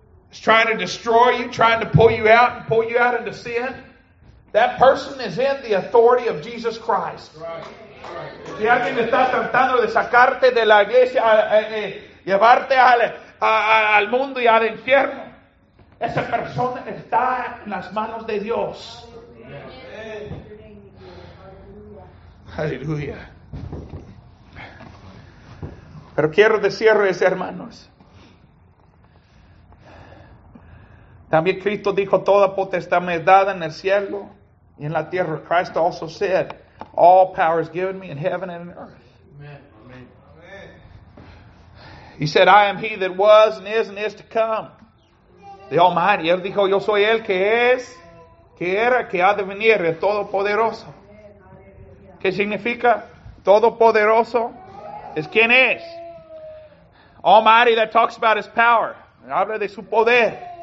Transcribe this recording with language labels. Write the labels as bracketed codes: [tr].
[en] It's trying to destroy you, trying to pull you out and pull you out into sin. That person is in the authority of Jesus Christ. [es] Si alguien está tratando de sacarte de la iglesia, llevarte al mundo y al infierno, esa persona está en las manos de Dios. Aleluya. Pero quiero decirles, hermanos, También Cristo dijo, toda potestad me es dada en el cielo y en la tierra. [en] Christ also said, all power is given me in heaven and in earth. Amen. He said, I am he that was and is to come. The Almighty. [es] Y él dijo, yo soy el que es, que era, que ha de venir, el Todopoderoso. ¿Qué significa? Todopoderoso es quien es. [en] Almighty, that talks about his power. [es] Habla de su poder.